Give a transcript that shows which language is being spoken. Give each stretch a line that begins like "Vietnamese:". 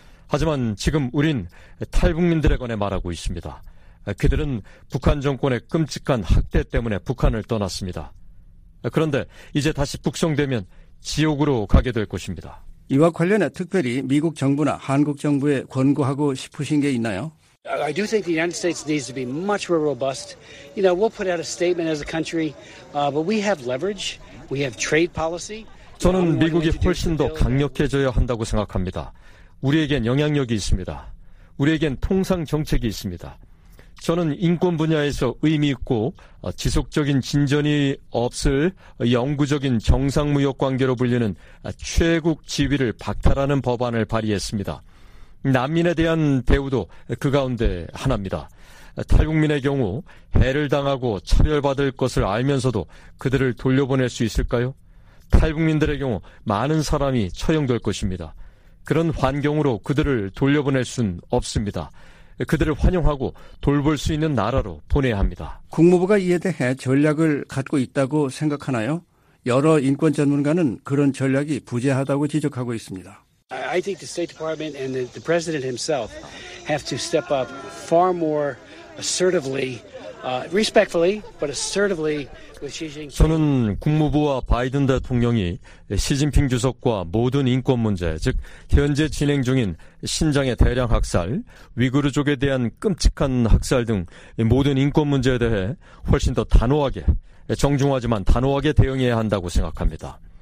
Korean: 하지만 지금 우린 탈북민들에 관해 말하고 있습니다. 그들은 북한 정권의 끔찍한 학대 때문에 북한을 떠났습니다. 그런데 이제 다시 북송되면 지옥으로 가게 될 것입니다. 이와 관련해 특별히 미국 정부나 한국 정부에 권고하고 싶으신 게 있나요?
English: I do think the United States needs to be much more robust. You know, we'll put out a statement as a country, but we have leverage. We have trade policy.
Korean: 저는 미국이 훨씬 더 강력해져야 한다고 생각합니다. 우리에겐 영향력이 있습니다. 우리에겐 통상 정책이 있습니다. 저는 인권 분야에서 의미 있고 지속적인 진전이 없을 영구적인 정상무역 관계로 불리는 최국 지위를 박탈하는 법안을 발의했습니다. 난민에 대한 대우도 그 가운데 하나입니다. 탈북민의 경우 해를 당하고 차별받을 것을 알면서도 그들을 돌려보낼 수 있을까요? 탈북민들의 경우 많은 사람이 처형될 것입니다. 그런 환경으로 그들을 돌려보낼 순 없습니다. 그들을 환영하고 돌볼 수 있는 나라로 보내야 합니다. 국무부가 이에 대해 전략을 갖고 있다고 생각하나요? 여러 인권 전문가는 그런 전략이 부재하다고 지적하고 있습니다.
English: I think the State Department and the President himself have to step up far more assertively, respectfully, but assertively.
Korean: 저는 국무부와 바이든 대통령이 시진핑 주석과 모든 인권 문제, 즉 현재 진행 중인 신장의 대량 학살, 위구르족에 대한 끔찍한 학살 등 모든 인권 문제에 대해 훨씬 더 단호하게, 정중하지만 단호하게 대응해야 한다고 생각합니다.